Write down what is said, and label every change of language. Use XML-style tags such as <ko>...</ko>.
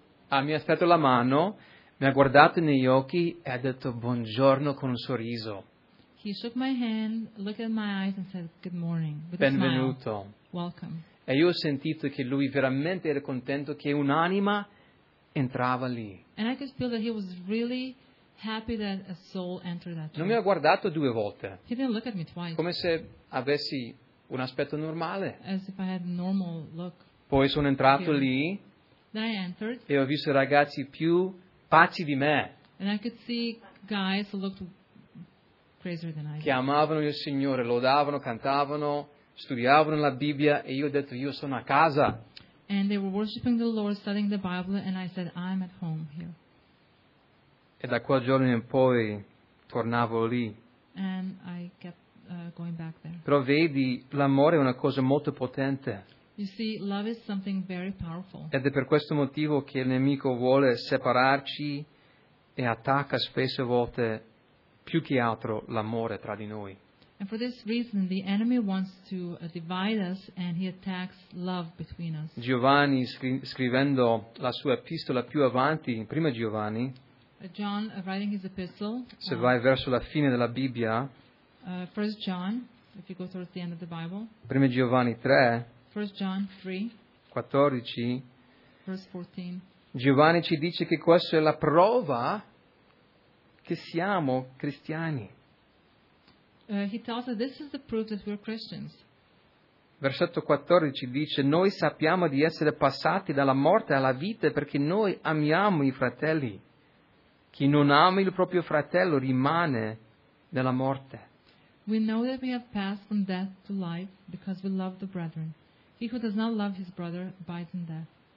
<it>Mi ha stretto la mano, mi ha guardato negli occhi e ha detto buongiorno con un sorriso.</it> <en>He shook my hand, looked at my eyes and said good morning.</en> <it>Benvenuto.</it> <en>Welcome.</en> <it>E io ho sentito che lui veramente era contento che un'anima entrava lì.</it> <en>And I could feel that he was really happy that a soul entered that church.</en> <it>Non mi ha guardato due volte.</it> <en>He didn't look at me twice.</en> <it>Come se avessi un aspetto normale.</it> <en>As if I had a normal look.</en> <it>Poi sono entrato lì.</it> <en>I entered,</en> <it>e ho visto ragazzi più pazzi di me.</it> <en>And I could see guys who looked</en> <it>che amavano il Signore, lodavano, cantavano, studiavano la Bibbia, e io ho detto, io sono a casa.</it> <en>And they were worshiping the Lord, studying the Bible, and I said, I'm at home here.</en> <it>E da quel giorno in poi tornavo lì.</it> <en>And I kept going back there.</en> <it>Però vedi, l'amore è una cosa molto potente.</it> <en>You see, love is something very powerful.</en> <it>Ed è per questo motivo che il nemico vuole separarci e attacca spesse volte più che altro l'amore tra di noi.</it> <en>And for this reason, the enemy wants to divide us and he attacks love between us.</en> <it>Giovanni, scrivendo la sua epistola più avanti, in prima Giovanni,</it> <en>John, writing his epistle,</en> <it>se vai verso la fine della Bibbia,</it> <en>First John, if you go towards the end of the Bible,</en> <it>prima Giovanni 3,</it> <en>First John 3,</en> <it>14,</it> <en>verse 14,</en> <it>Giovanni ci dice che questa è la prova che siamo cristiani.</it> <en>He tells us this is the proof that we're Christians.</en> <it>Versetto 14 dice: noi sappiamo di essere passati dalla morte alla vita perché noi amiamo i fratelli. Chi non ama il proprio fratello rimane nella morte.</it> <en>We know that we have passed from death to life because we love the brethren. He who does not love his brother abides in death.</en>